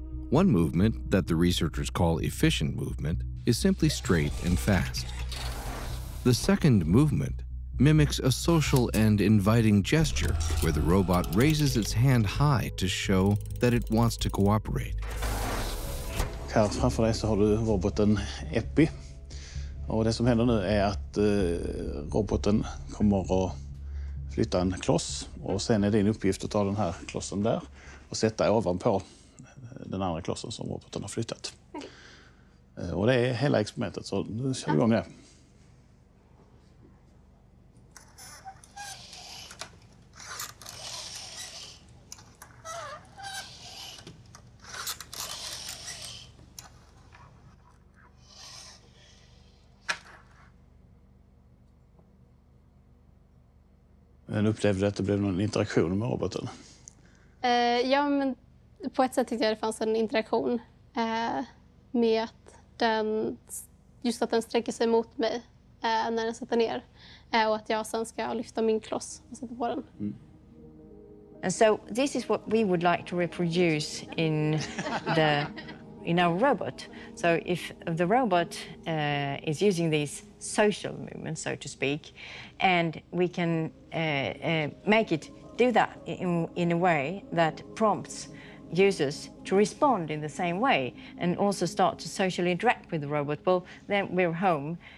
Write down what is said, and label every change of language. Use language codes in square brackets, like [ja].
[en] One movement that the researchers call efficient movement is simply straight and fast. The second movement mimics a social and inviting gesture where the robot raises its hand high to show that it wants to cooperate. [sv] Här framför dig så har du roboten Epi. Och det som händer nu är att roboten kommer att flytta en kloss och sen är din uppgift att ta den här klossen där och sätta ovanpå den andra klossen som roboten har flyttat. Och det är hela experimentet, så nu kör vi igång det. Men upplevde du att det blev någon interaktion med roboten? Ja, men på ett sätt tyckte jag det fanns en interaktion med att den, just att den sträcker sig mot mig när den sätter ner och att jag sen ska lyfta min kloss och sätta på den. Mm. [en] And so this is what we would like to reproduce in the in our robot. So if the robot is using these social movements, so to speak, and we can make it do that in a way that prompts users to respond in the same way and also start to socially interact with the robot, well, then we're home.